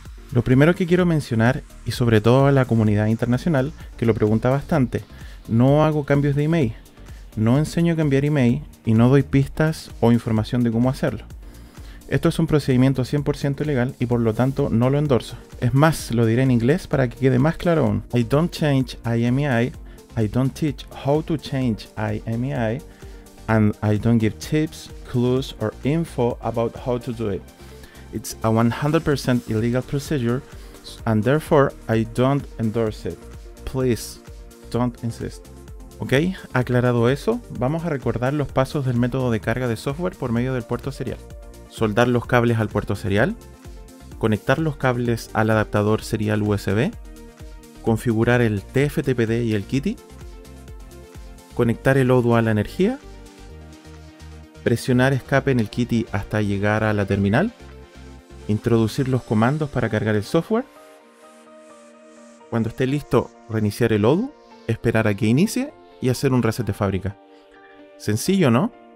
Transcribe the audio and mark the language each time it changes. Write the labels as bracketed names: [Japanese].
[Spanish] Lo primero que quiero mencionar, y sobre todo a la comunidad internacional que lo pregunta bastante, no hago cambios de email, no enseño a cambiar email y no doy pistas o información de cómo hacerlo. Esto es un procedimiento 100% ilegal y por lo tanto no lo endorso. Es más, lo diré en inglés para que quede más claro aún. [English] I don't change IMEI, I don't teach how to change IMEI, and I don't give tips, clues or info about how to do it. It's a 100% illegal procedure and therefore I don't endorse it. Please, don't insist. [Spanish] Ok, aclarado eso, vamos a recordar los pasos del método de carga de software por medio del puerto serial. Soldar los cables al puerto serial, conectar los cables al adaptador serial USB, configurar el TFTPD y el Kitty, conectar el ODU a la energía, presionar escape en el Kitty hasta llegar a la terminal, introducir los comandos para cargar el software, cuando esté listo reiniciar el ODU, esperar a que inicie y hacer un reset de fábrica. Sencillo, ¿no?